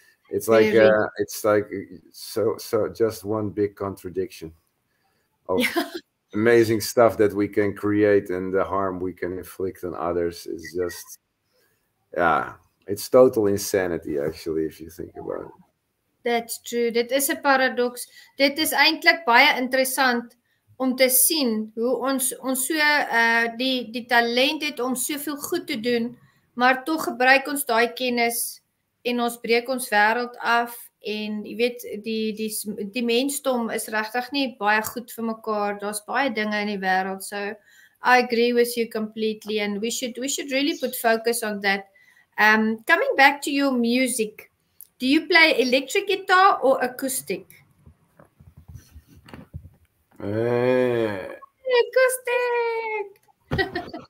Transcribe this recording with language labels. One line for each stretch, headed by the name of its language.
English: It's like it's just one big contradiction of amazing stuff that we can create, and the harm we can inflict on others is just it's total insanity, actually, if you think about it. That's true.
Afrikaans: Dit is 'n paradox. Dit is eintlik baie interessant om te sien hoe ons so die talent het om soveel goed te doen, maar tog gebruik ons daai kennis en ons breek ons wêreld af, en jy weet die mensdom is regtig nie baie goed vir mekaar. Daar's baie dinge in die wêreld.
English: So I agree with you completely, and we should really put focus on that. Coming back to your music, do you play electric guitar or acoustic? Acoustic!